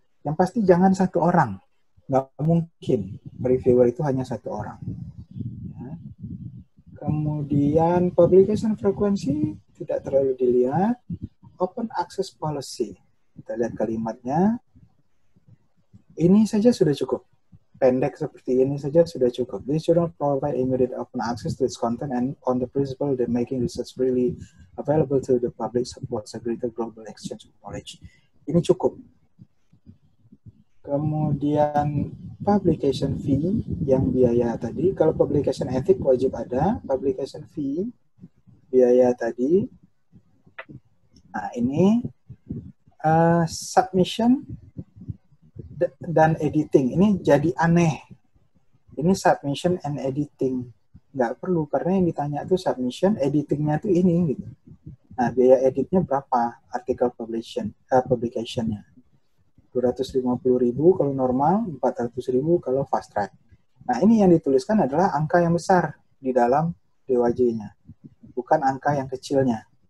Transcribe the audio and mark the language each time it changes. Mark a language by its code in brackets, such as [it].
[id] Yang pasti jangan satu orang, nggak mungkin reviewer itu hanya satu orang. Kemudian publication frequency tidak terlalu dilihat. Open access policy, kita lihat kalimatnya. Ini saja sudah cukup. Pendek seperti ini saja sudah cukup. [en] This journal provide immediate open access to its content and on the principle that making research freely available to the public supports a greater global exchange of knowledge. [id] Ini cukup. Kemudian publication fee yang biaya tadi, kalau publication ethic wajib ada, publication fee biaya tadi. Nah, ini submission dan editing. Ini jadi aneh. Ini submission and editing. Nggak perlu, karena yang ditanya itu submission, editingnya itu ini gitu. Nah, biaya editnya berapa artikel publication publication-nya? 250.000 kalau normal, 400.000 kalau fast track. Nah, ini yang dituliskan adalah angka yang besar di dalam DOAJ-nya, bukan angka yang kecilnya.